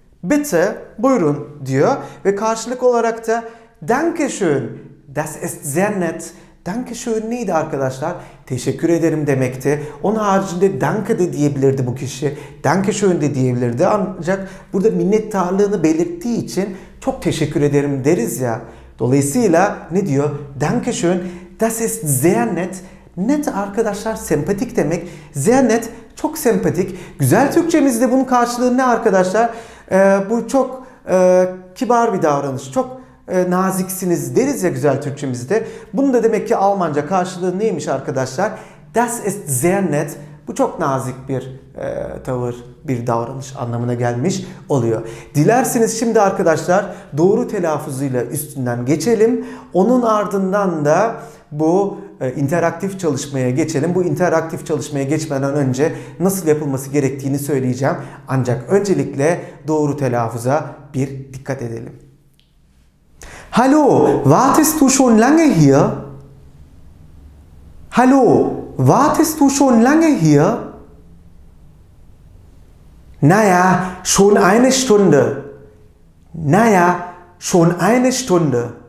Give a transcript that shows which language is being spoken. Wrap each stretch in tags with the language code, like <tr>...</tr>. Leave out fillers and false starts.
<de>Bitte,</de> <tr>buyurun diyor ve karşılık olarak da</tr> <de>Danke schön. Das ist sehr nett. Danke schön</de> <tr>neydi arkadaşlar? Teşekkür ederim demekti. Onun haricinde danke de diyebilirdi bu kişi.</tr> <de>Danke schön</de> <tr>de diyebilirdi. Ancak burada minnettarlığını belirttiği için çok teşekkür ederim deriz ya. Dolayısıyla ne diyor?</tr> <de>Danke schön, das ist sehr nett.</de> <tr>Net arkadaşlar sempatik demek.</tr> <de>Sehr nett,</de> <tr>çok sempatik. Güzel Türkçemizde bunun karşılığı ne arkadaşlar? Bu çok kibar bir davranış. Çok naziksiniz deriz ya güzel Türkçemizde. Bunun da demek ki Almanca karşılığı neymiş arkadaşlar?</tr> <de>Das ist sehr nett.</de> <tr>Bu çok nazik bir tavır, bir davranış anlamına gelmiş oluyor. Dilerseniz şimdi arkadaşlar doğru telaffuzuyla üstünden geçelim. Onun ardından da bu interaktif çalışmaya geçelim. Bu interaktif çalışmaya geçmeden önce nasıl yapılması gerektiğini söyleyeceğim. Ancak öncelikle doğru telaffuza bir dikkat edelim.</tr> <de>Hallo, wartest du schon lange hier? Hallo, wartest du schon lange hier? Naja, schon eine Stunde. Naja, schon eine Stunde.</de>